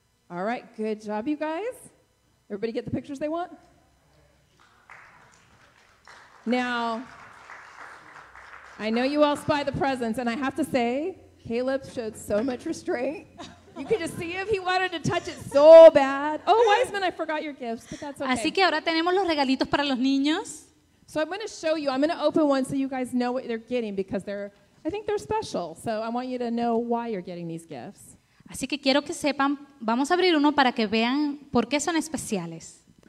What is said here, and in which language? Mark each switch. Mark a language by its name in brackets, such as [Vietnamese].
[English] All right, good job, you guys. Everybody get the pictures they want? Now, I know you all spy the presents, and I have to say, Caleb showed so much restraint. You could just see him. He wanted to touch it so bad. Oh, Wiseman, I forgot your gifts, but that's okay. [Spanish] Así que ahora tenemos los regalitos para los niños. [English] So I'm going to show you. I'm going to open one so you guys know what they're getting because I think they're special. So I want you to know why you're getting these gifts. [Spanish] Así que quiero que sepan, vamos a abrir uno para que vean por qué son especiales.